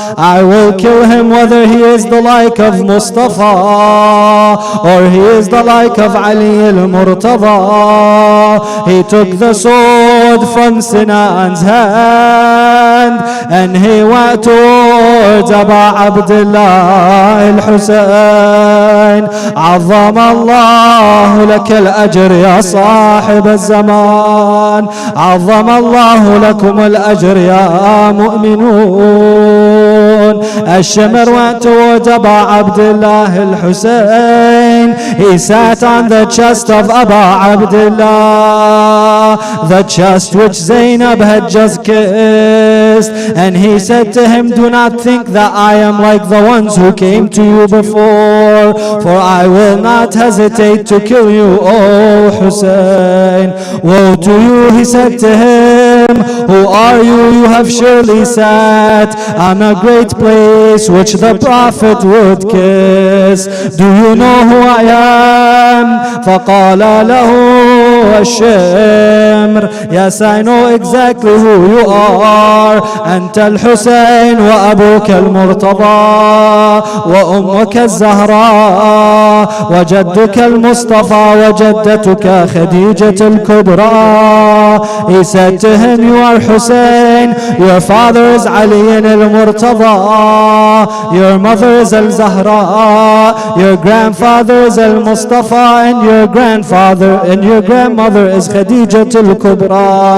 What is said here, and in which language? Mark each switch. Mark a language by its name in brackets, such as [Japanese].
[English] I will kill him whether he is the like of Mustafa or he is the like of Ali al-Murtada." He took the sword from Sinan's hand and he went towards Aba Abdullah al-Husayn. [Arabic] عظم الله لك الأجر يا صاحب الزمان، عظم الله لكم الأجر يا مؤمنون. [English] الشمر went towards Aba Abdullah al-Husayn. He sat on the chest of Aba Abdullah, the chest which Zainab had just kissed, and he said to him, "Do not think that I am like the ones who came to you before, for I will not hesitate to kill you, O Husayn." "Woe to you," he said to him, "who are you? You have surely sat on a great place which the Prophet would kiss. Do you know who I am?" [Arabic] فقال له والشمر. [English] Yes, I know exactly who you are. [Arabic] أنت الحسين وأبوك المرتضى وأمك الزهراء وجدك المصطفى وجدتك خديجة الكبرى. [English] He said to him, you are Hussein, your father is Ali المرتضى, your mother is الزهراء, your grandfather is المصطفى, and your grandfather and your grandmother is خديجة الكبرى.